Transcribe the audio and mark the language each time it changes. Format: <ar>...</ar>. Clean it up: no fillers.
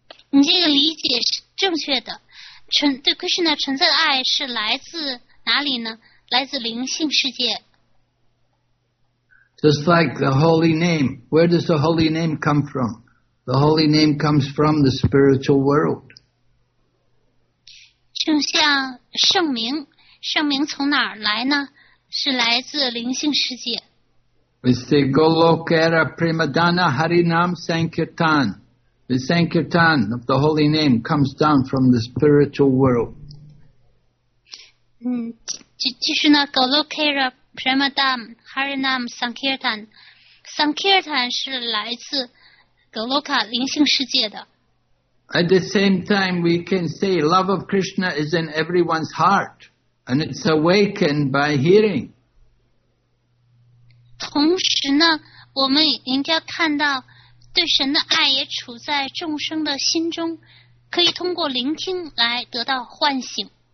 <zh>你这个理解是正确的。对 Krishna 纯粹的爱是来自哪里呢？来自灵性世界。</zh> <en>Just like the holy name. Where does the holy name come from? The holy name comes from the spiritual world.</en> <zh>就像圣名，圣名从哪儿来呢？是来自灵性世界。</zh> <en>We say</en> <bn>Golokera Primadana Harinam Sankirtan.</bn> <en>The Sankirtan of the holy name comes down from the spiritual world.</en> <zh>就是呢</zh> <bn>Golokera Primadana Harinam Sankirtan.</bn> <zh>Sankirtan 是来自 Goloka 灵性世界的。</zh> <en>At the same time, we can say love of Krishna is in everyone's heart, and it's awakened by hearing.</en> <zh>同时呢，我们应该看到对神的爱也处在众生的心中，可以通过聆听来得到唤醒。</zh>